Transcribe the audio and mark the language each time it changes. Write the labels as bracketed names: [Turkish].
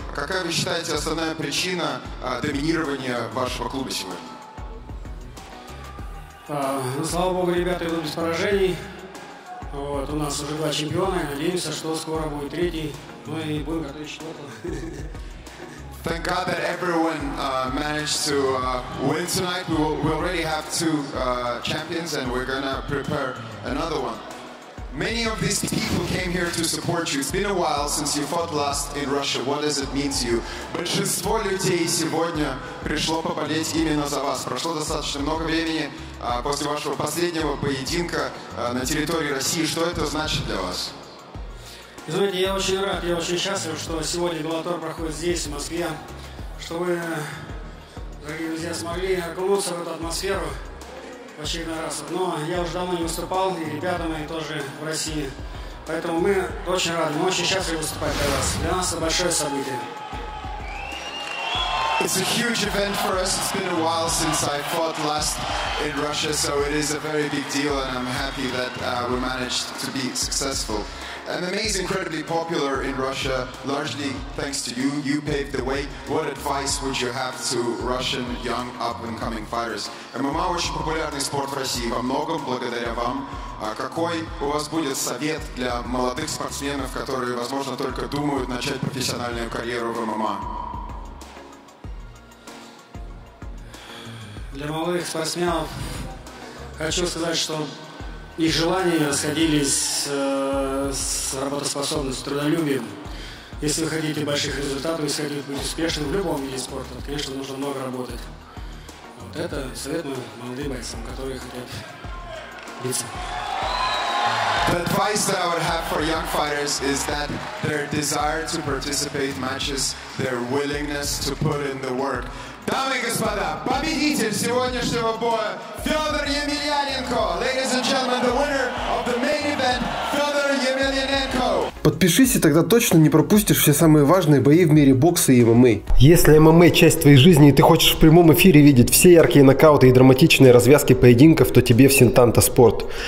[Russian] Какая вы считаете основная причина доминирования вашего клуба сегодня? Слава Богу, ребята идут без поражений. Вот, у нас уже два чемпиона. Надеемся, что скоро будет третий. Ну и будем готовить четвертого. [English] Thank God that everyone managed to win tonight. We already have two champions, and we're gonna prepare another one. Many of these people came here to support you. It's been a while since you fought last in Russia. What does it mean to you? [Russian] Большинство людей сегодня пришло поболеть именно за вас. Прошло достаточно много времени после вашего последнего поединка на территории России. Что это значит для вас? Знаете, я очень рад, я очень счастлив, что сегодня Беллатор проходит здесь, в Москве. Что вы, дорогие друзья, смогли окунуться в эту атмосферу. В очередной раз. Но я уже давно не выступал, и ребята мои тоже в России. Поэтому мы очень рады, мы очень счастливы выступать для вас. Для нас это большое событие. [English] It's a huge event for us. It's been a while since I fought last in Russia, so it is a very big deal, and I'm happy that we managed to be successful. MMA is incredibly popular in Russia, largely thanks to you. You paved the way. What advice would you have to Russian young up-and-coming fighters? [Russian] MMA – очень популярный спорт в России, во многом благодаря вам. Какой у вас будет совет для молодых спортсменов, которые, возможно, только думают начать профессиональную карьеру в ММА? Для молодых спортсменов хочу сказать, что их желания сходились с работоспособностью, с трудолюбием. Если вы хотите больших результатов, если хотите быть успешным в любом виде спорта, то, конечно, нужно много работать. Вот это советую молодым бойцам, которые хотят биться. [English] The advice that I would have for young fighters is that their desire to participate in matches, their willingness to put in the work. [Russian] Дамы и господа, победитель сегодняшнего боя Федор Емельяненко. [English] Ladies and gentlemen, the winner of the main event, Федор Емельяненко. [Russian] Подпишись, и тогда точно не пропустишь все самые важные бои в мире бокса и ММА. Если ММА – часть твоей жизни, и ты хочешь в прямом эфире видеть все яркие нокауты и драматичные развязки поединков, то тебе в Синтанта Спорт.